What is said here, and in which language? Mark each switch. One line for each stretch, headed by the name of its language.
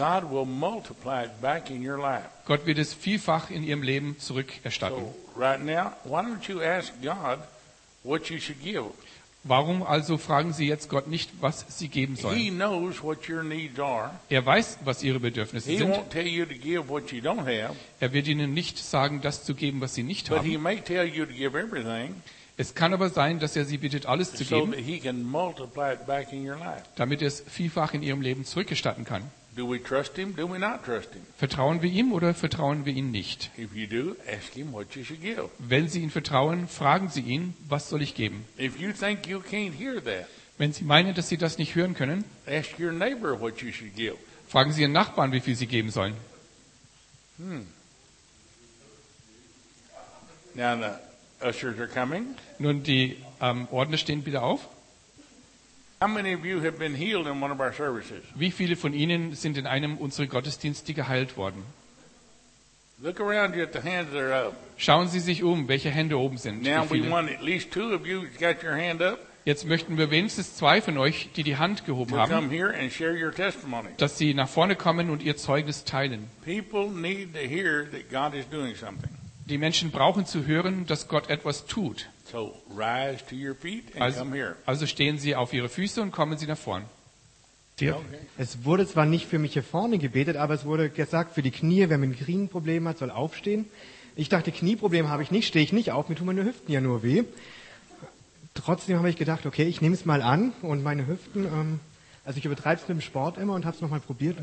English: God will multiply it back in your life.
German: Gott wird es vielfach in ihrem Leben zurückerstatten.
English: So, right now, why don't you ask God what you should give?
German: Warum also fragen Sie jetzt Gott nicht, was Sie geben sollen?
English: He knows what your needs are.
German: Er weiß, was Ihre Bedürfnisse
English: he
German: sind.
English: Won't tell you to give what you don't have.
German: Er wird Ihnen nicht sagen, das zu geben, was Sie nicht haben.
English: But he may tell you to give everything,
German: es kann aber sein, dass er Sie bittet, alles zu
English: so
German: geben,
English: that he can multiply it back in your life.
German: Damit er es vielfach in Ihrem Leben zurückgestatten kann.
English: Do we trust him? Do we not trust him?
German: Vertrauen wir ihm oder vertrauen wir ihm nicht?
English: If you do, ask him what you should give.
German: Wenn Sie ihn vertrauen, fragen Sie ihn, was soll ich geben?
English: If you think you can't hear that,
German: wenn Sie meinen, dass Sie das nicht hören können,
English: ask your neighbor what you should give.
German: Fragen Sie Ihren Nachbarn, wie viel Sie geben sollen.
English: Now the ushers are coming.
German: Nun, die Ordner stehen bitte auf.
English: How many of you have been healed in one of our services?
German: Wie viele von Ihnen sind in einem unserer Gottesdienste geheilt worden?
English: Look around you at the hands that are up.
German: Schauen Sie sich um, welche Hände oben sind.
English: Now we want at least two of you got your hand up.
German: Jetzt möchten wir wenigstens zwei von euch, die die Hand gehoben haben,
English: come here and share your testimony.
German: Dass sie nach vorne kommen und ihr Zeugnis teilen.
English: People need to hear that God is doing something.
German: Die Menschen brauchen zu hören, dass Gott etwas tut.
English: So rise to your feet and also, come here.
German: Also stehen Sie auf Ihre Füße und kommen Sie nach vorn. Dirk, okay. Es wurde zwar nicht für mich hier vorne gebetet, aber es wurde gesagt, für die Knie, wer mit Knieproblemen hat, soll aufstehen. Ich dachte, Knieproblem habe ich nicht, stehe ich nicht auf, mir tun meine Hüften ja nur weh. Trotzdem habe ich gedacht, okay, ich nehme es mal an und meine Hüften, also ich übertreibe es mit dem Sport immer und habe es nochmal probiert.